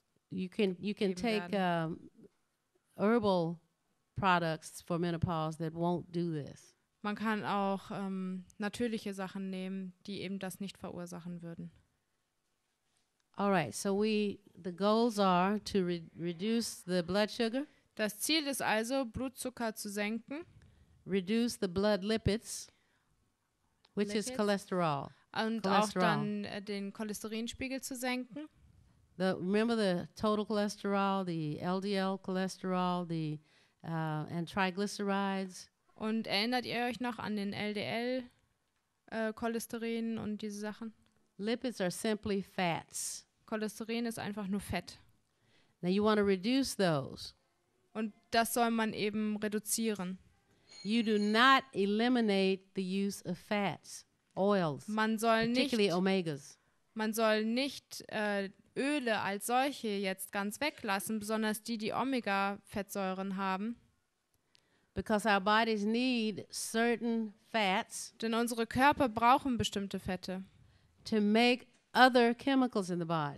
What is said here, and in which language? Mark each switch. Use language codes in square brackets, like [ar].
[en] You can take herbal products for menopause that won't do this. [de] Man kann auch natürliche Sachen nehmen, die eben das nicht verursachen würden. [en] All right, so the goals are to reduce the blood sugar. [de] Das Ziel ist also, Blutzucker zu senken. [en] Reduce the blood lipids. Which is cholesterol. [de] Und cholesterol. Auch dann den Cholesterinspiegel zu senken. [en] Remember the total cholesterol, the LDL cholesterol, the and triglycerides. [de] Und erinnert ihr euch noch an den LDL Cholesterin und diese Sachen? [en] Lipids are simply fats. [de] Cholesterin ist einfach nur Fett. [en] Now you want to reduce those. [de] Und das soll man eben reduzieren. [en] You do not eliminate the use of fats, oils, [de] man soll [en] particularly [de] nicht, [en] omegas. [de] Man soll nicht Öle als solche jetzt ganz weglassen, besonders die Omega-Fettsäuren haben. [en] Because our bodies need certain fats. [de] Denn unsere Körper brauchen bestimmte Fette. [en] To make other chemicals in the body.